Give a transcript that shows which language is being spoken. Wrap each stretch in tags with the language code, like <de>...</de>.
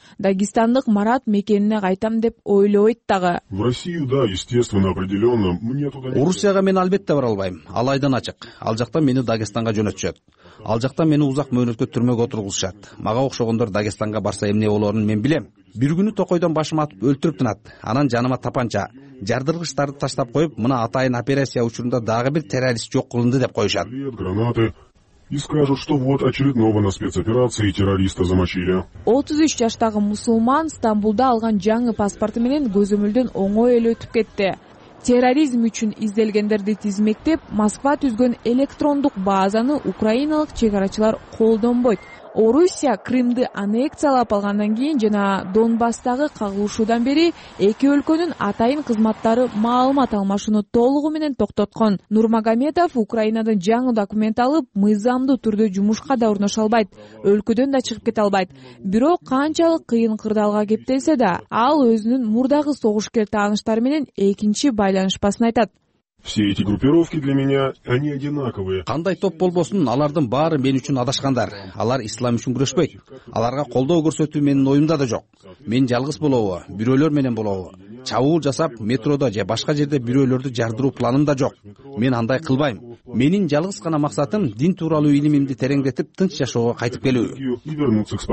<ky>Дагестандык Марат мекенине кайтам деп ойлобойт дагы.</ky> <ru>В Россию, да, естественно, определенно. Мне туда.</ru> <ky>Орусияга мен албетте бара албайм. Алайдан ачык. Ал жакта мени Дагестанга жөнөтүшөт. Ал жакта мени узак мөөнөткө түрмөгө отургузушат. Мага окшогондор Дагестанга барса эмне болорун мен билем. Бир күнү токойдон башыма атып өлтүрүп тынат. Анан жаныма тапанча, жардыргычтарды таштап коюп, мына атайын операция учурунда дагы бир террорист жок кылынды деп коюшат.</ky> <ru>И скажут, что вот очередного на спецоперации террориста замочили.</ru> <ky>33 жаштагы мусулман Стамбулда алган жаңы паспорту менен көзөмөлдөн оңой эле өтүп кетти. Терроризм үчүн изделгендерди тизмектеп, Москва түзгөн электрондук базаны украиналык чек арачылар колдонбойт. Орусия Крымды аннексиялап алгандан кийин жана Донбасстагы кагылышуудан бери эки өлкөнүн атайын кызматтары маалымат алмашууну толугу менен токтоткон. Нурмагомедов Украинадан жаңы документ алып, мыйзамдуу түрдө жумушка да орношо албайт, өлкөдөн да чыгып кете албайт. Бирок канчалык кыйын кырдаалга кептелсе да, ал өзүнүн мурдагы согушкер тааныштары менен экинчи байланышпасын айтат.</ky> <ru>Все эти группировки для меня, они одинаковые.</ru> <ky>Кандай топ болбосун, алардын баары мен үчүн адашкандар. Алар ислам үчүн күрөшпөйт. Аларга колдоо көрсөтүү менин оюмда да жок. Мен жалгыз болобу, бирөөлөр менен болобу. Чабуул жасап, метродо же башка жерде бирөөлөрдү жардыруу планым да жок. Мен андай кылбайм. Менин жалгыз гана максатым дин тууралуу илимимди тереңдетип, тынч жашоого кайтып келүү.</ky>